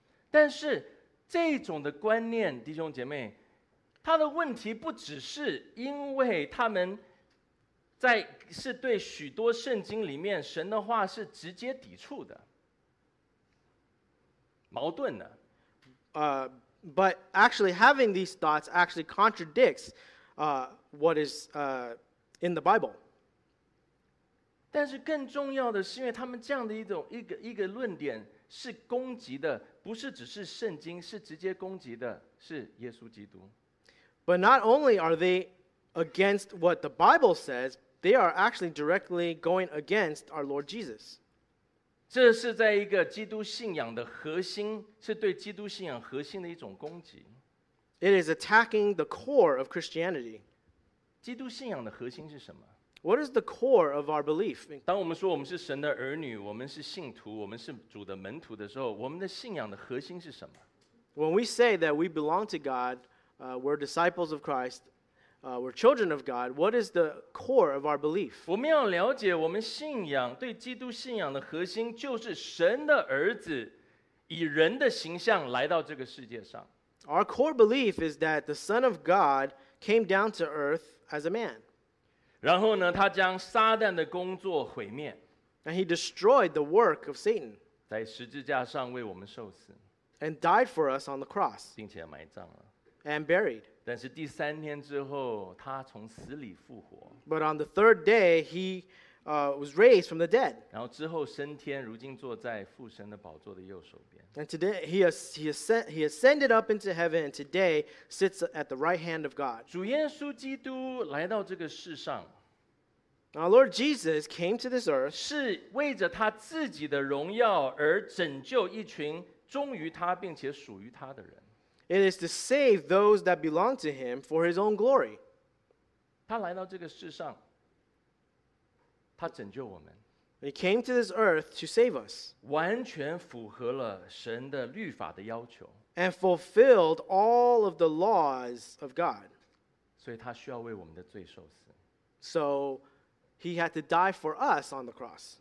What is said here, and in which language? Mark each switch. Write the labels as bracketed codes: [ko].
[zh] 但是这种的观念，弟兄姐妹，它的问题不只是因为他们在是对许多圣经里面神的话是直接抵触的，矛盾的。 [en] But actually having these thoughts actually contradicts what is in the Bible. [zh] 但是更重要的是，因为他们这样的一个论点是攻击的，不是只是圣经，是直接攻击的是耶稣基督。 [en] But not only are they against what the Bible says, they are actually directly going against our Lord Jesus. [zh] 这是在一个基督信仰的核心，是对基督信仰核心的一种攻击。 [en] It is attacking the core of Christianity. [zh] 基督信仰的核心是什么？ [en] What is the core of our belief? [zh] 当我们说我们是神的儿女，我们是信徒，我们是主的门徒的时候，我们的信仰的核心是什么？ [en] When we say that we belong to God, we're disciples of Christ, we're children of God, what is the core of our belief? [zh] 我们要了解我们信仰，对基督信仰的核心就是神的儿子以人的形象来到这个世界上。 [en] Our core belief is that the Son of God came down to earth as a man. [zh] 然后呢，他将撒旦的工作毁灭。 [en] And he destroyed the work of Satan. [zh] 在十字架上为我们受死。 [en] And died for us on the cross. [zh] 并且埋葬了。 [en] And buried. [zh] 但是第三天之后，他从死里复活。 [en] But on the third day, he was raised from the dead. [zh] 然后之后升天，如今坐在父神的宝座的右手边。 [en] And today he ascended up into heaven, and today sits at the right hand of God. [zh] 主耶稣基督来到这个世上。 [en] Our Lord Jesus came to this earth [zh] 是为着他自己的荣耀而拯救一群忠于他并且属于他的人。 [en] It is to save those that belong to him for his own glory. [zh] 他来到这个世上。他拯救我们。 [en] He came to this earth to save us. [zh] 完全符合了神的律法的要求。 [en] And fulfilled all of the laws of God. [zh] 所以他需要为我们的罪受死。 [en] So he had to die for us on the cross.